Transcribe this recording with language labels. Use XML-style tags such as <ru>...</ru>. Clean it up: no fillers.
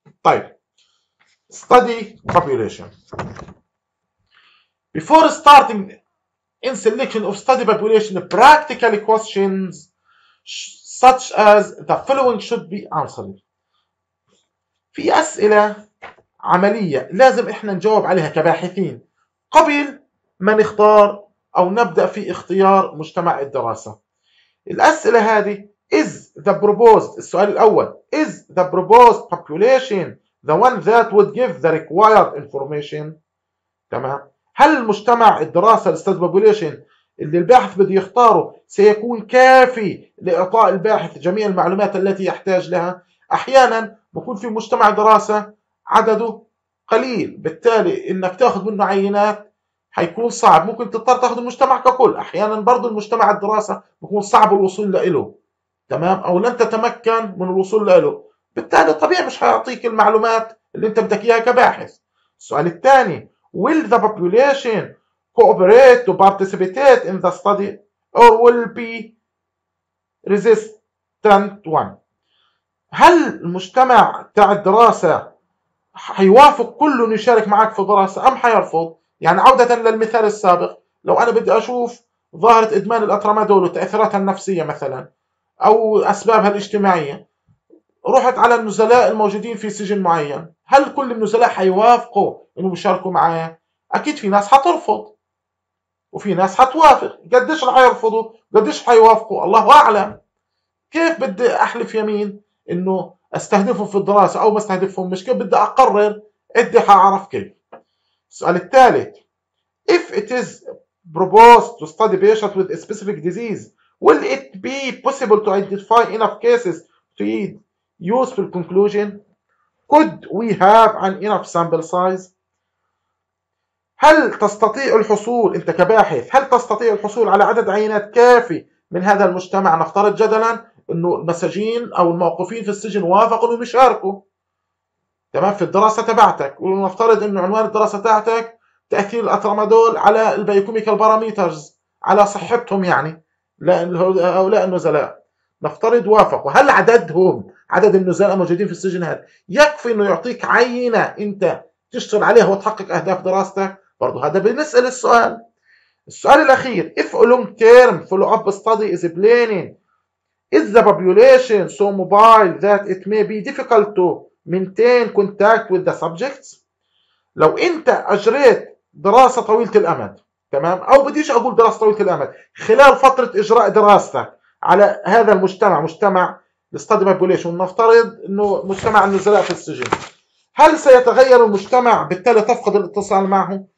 <en>طيب study population before starting in selection of study population practical questions such as the following should be answered.</en> <ar>في اسئله عمليه لازم احنا نجاوب عليها كباحثين قبل ما نختار أو نبدأ في اختيار مجتمع الدراسة. الأسئلة هذه</ar> <en>is the proposed،</en> <ar>السؤال الأول</ar> <en>is the proposed population the one that would give the required information.</en> <ar>تمام؟ هل المجتمع الدراسة study population اللي الباحث بده يختاره سيكون كافي لإعطاء الباحث جميع المعلومات التي يحتاج لها؟ أحيانا بكون في مجتمع دراسة عدده قليل، بالتالي انك تاخذ منه عينات حيكون صعب، ممكن تضطر تاخذ المجتمع ككل. احيانا برضو المجتمع الدراسة بيكون صعب الوصول له، تمام، او لن تتمكن من الوصول له، بالتالي طبيعي مش هيعطيك المعلومات اللي انت بدك اياها كباحث. السؤال الثاني</ar> <en>will the population cooperate to participate in the study or will be resistant one.</en> <ar>هل المجتمع تاع الدراسة حيوافق كله يشارك معك في دراسة أم حيرفض؟ يعني عودة للمثال السابق، لو أنا بدي أشوف ظاهرة إدمان الأترامادول وتأثيراتها النفسية مثلا أو أسبابها الاجتماعية، رحت على النزلاء الموجودين في سجن معين، هل كل النزلاء حيوافقوا إنه يشاركوا معايا؟ أكيد في ناس حترفض وفي ناس حتوافق. قديش رح يرفضوا قديش حيوافقوا الله أعلم. كيف بدي أحلف يمين إنه استهدفهم في الدراسة أو ما استهدفهم؟ مش كيف بدي أقرر؟ إدي حعرف كيف. السؤال الثالث</ar> <en>If it is proposed to study patients with a specific disease will it be possible to identify enough cases to yield useful conclusion? Could we have an enough sample size?</en> <ar>هل تستطيع الحصول أنت كباحث هل تستطيع الحصول على عدد عينات كافي من هذا المجتمع؟ نفترض جدلاً انه المساجين او الموقوفين في السجن وافقوا انهم يشاركوا تمام في الدراسه تبعتك، ونفترض انه عنوان الدراسه تبعتك تاثير الاترامادول على البيوكيميكال باراميترز على صحتهم يعني هؤلاء النزلاء، نفترض وافقوا، هل عددهم عدد النزلاء الموجودين في السجن هذا يكفي انه يعطيك عينه انت تشتغل عليها وتحقق اهداف دراستك؟ برضه هذا بنسال السؤال. السؤال الاخير</ar> <en>if a long term follow up study is planning Is the population so mobile that it may be difficult to maintain contact with the subjects?</en> <ar>لو انت اجريت دراسة طويلة الامد تمام او بديش اقول دراسة طويلة الامد خلال فترة اجراء دراستك على هذا المجتمع مجتمع study population ونفترض انه مجتمع النزلاء في السجن، هل سيتغير المجتمع بالتالي تفقد الاتصال معه؟</ar>